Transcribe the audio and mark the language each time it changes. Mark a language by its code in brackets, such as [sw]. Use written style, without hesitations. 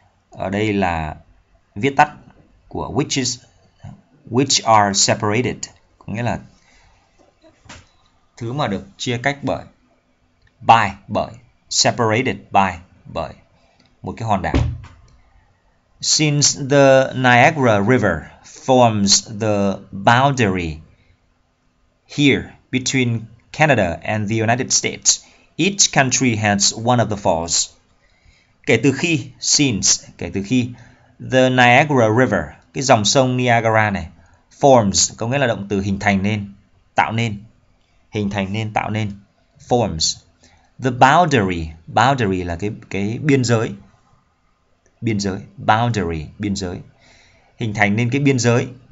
[vi] Ở đây là viết tắt của which is, which are separated, có nghĩa là thứ mà được chia cách bởi, by, bởi, separated by, bởi một cái hòn đảo. [en] Since the Niagara River forms the boundary here between Canada and the United States, each country has one of the falls. [vi] Kể từ khi, since, kể từ khi, the Niagara River, cái dòng sông Niagara này, forms, có nghĩa là động từ hình thành nên, tạo nên, hình thành nên, tạo nên, forms. The boundary, boundary là cái biên giới, boundary, biên giới, hình thành nên cái biên giới.